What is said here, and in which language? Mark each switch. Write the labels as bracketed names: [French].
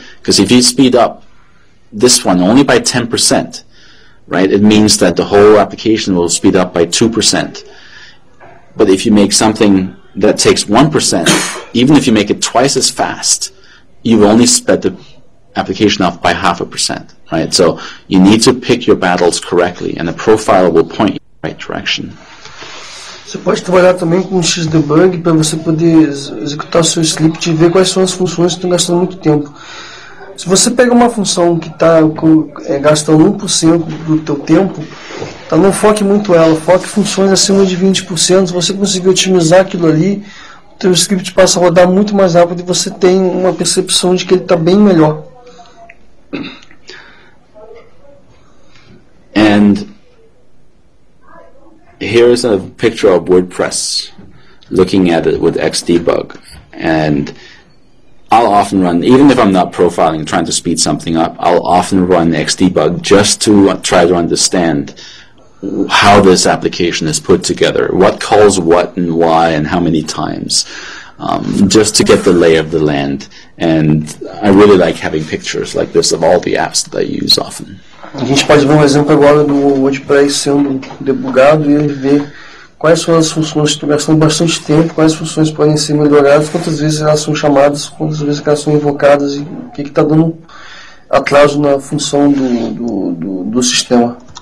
[English] Because if you speed up this one only by 10%, right, it means that the whole application will speed up by 2%. But if you make something that takes 1%, even if you make it twice as fast, you've only sped the application up by 0.5%, right? So you need to pick your battles correctly, and the profiler will point you in the right direction. [Portuguese] Você pode trabalhar também com Xdebug para você poder executar seu script e ver quais são as funções que estão gastando muito tempo. Se você pega uma função que está gastando 1% do teu tempo, então não foque muito ela, foque funções acima de 20%. Se você conseguir otimizar aquilo ali, o teu script passa a rodar muito mais rápido e você tem uma percepção de que ele está bem melhor. [English] And here is a picture of WordPress, looking at it with Xdebug. And I'll often run, even if I'm not profiling, trying to speed something up, I'll often run Xdebug just to try to understand how this application is put together, what calls what and why and how many times, just to get the lay of the land. And I really like having pictures like this of all the apps that I use often. [Portuguese] A gente pode ver um exemplo agora do WordPress sendo debugado e ele ver quais são as funções que estão gastando bastante tempo, quais funções podem ser melhoradas, quantas vezes elas são chamadas, quantas vezes elas são invocadas e o que está dando atraso na função do sistema.